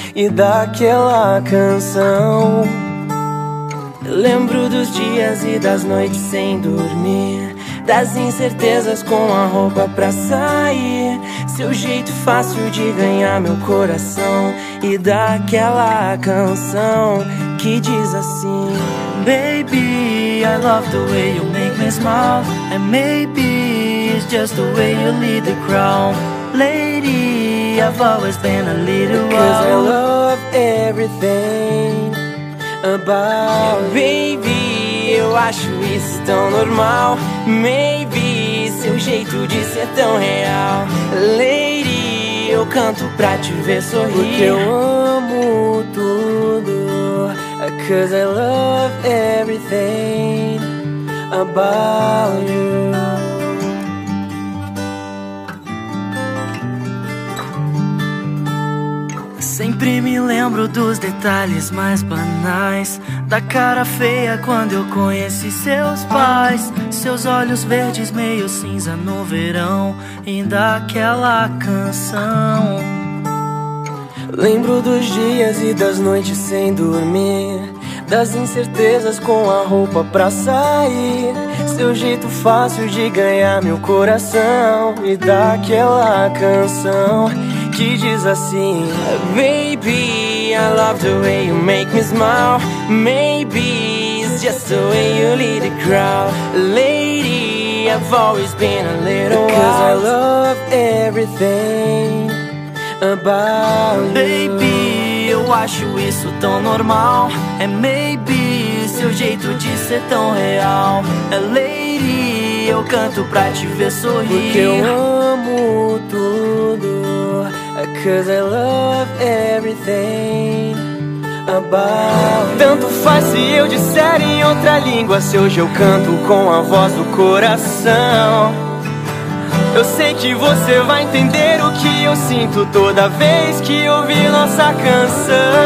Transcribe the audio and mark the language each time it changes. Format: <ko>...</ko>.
<pt>E daquela canção. Lembro dos dias e das noites sem dormir. Das incertezas com a roupa pra sair. Seu jeito fácil de ganhar meu coração. E daquela canção que diz assim:</pt> <en>Baby, I love the way you make me smile. And maybe it's just the way you lead the crowd. Lady, I've always been a little wild. Cause I love everything about you.</en> <pt>Baby, eu acho isso tão normal. Maybe seu jeito de ser tão real. Lady, eu canto pra te ver sorrir. Porque eu amo tudo.</pt> <en>Cause I love everything about you.</en> <pt>Sempre me lembro dos detalhes mais banais. Da cara feia quando eu conheci seus pais. Seus olhos verdes meio cinza no verão. E daquela canção. Lembro dos dias e das noites sem dormir. Das incertezas com a roupa pra sair. Seu jeito fácil de ganhar meu coração. E daquela canção que diz assim:</pt> <en>Baby, I love the way you make me smile. Maybe it's just the way you lead the crowd. Lady, I've always been a little wild. Cause I love everything about you.</en> <pt>Baby, eu acho isso tão normal.</pt> <en>And maybe</en> <pt>seu jeito de ser tão real. Lady, eu canto pra te ver sorrir. Porque eu amo tudo.</pt> <en>Cause I love everything about you.</en> <pt>Tanto faz se eu disser em outra língua. Se hoje eu canto com a voz do coração. Eu sei que você vai entender o que eu sinto toda vez que ouvi nossa canção.</pt>